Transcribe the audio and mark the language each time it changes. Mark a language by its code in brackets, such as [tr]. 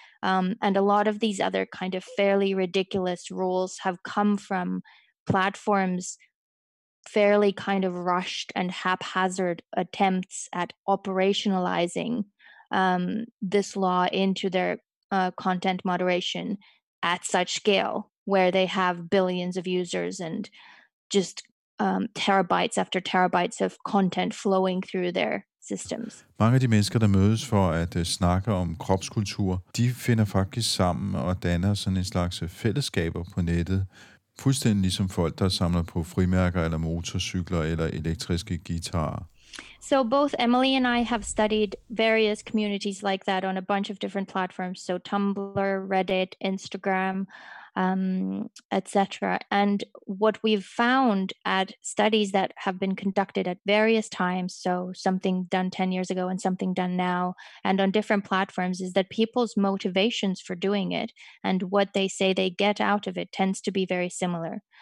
[en] And a lot of these other kind of fairly ridiculous rules have come from platforms fairly kind of rushed and haphazard attempts at operationalizing this law into their content moderation at such scale, where they have billions of users and just terabytes after terabytes of content flowing through their systems. [da] Mange af de mennesker, der mødes for at snakke om kropskultur, de finder faktisk sammen og danner sådan en slags fællesskaber på nettet, fuldstændig ligesom folk, der samler på frimærker eller motorcykler eller elektriske guitarer. [en] So both Emily and I have studied various communities like that on a bunch of different platforms, so Tumblr, Reddit, Instagram, etc. And what we've found at studies that have been conducted at various times, so something done 10 years ago and something done now, and on different platforms, is that people's motivations for doing it and what they say they get out of it tends to be very similar.